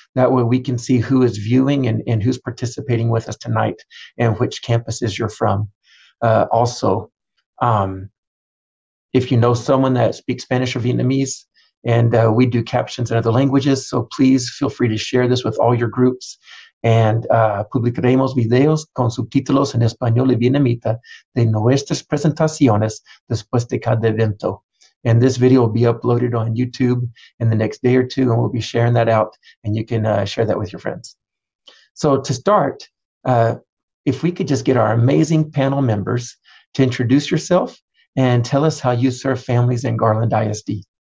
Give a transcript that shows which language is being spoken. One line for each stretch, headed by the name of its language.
English: That way we can see who is viewing and who's participating with us tonight and which campuses you're from. Also, if you know someone that speaks Spanish or Vietnamese, and we do captions in other languages, so please feel free to share this with all your groups.
Spanish: And publicaremos videos con subtítulos en español y vietnamita de nuestras presentaciones después de cada evento.
English: And this video will be uploaded on YouTube in the next day or two, and we'll be sharing that out, and you can share that with your friends. So to start, if we could just get our amazing panel members to introduce yourself and tell us how you serve families in Garland ISD.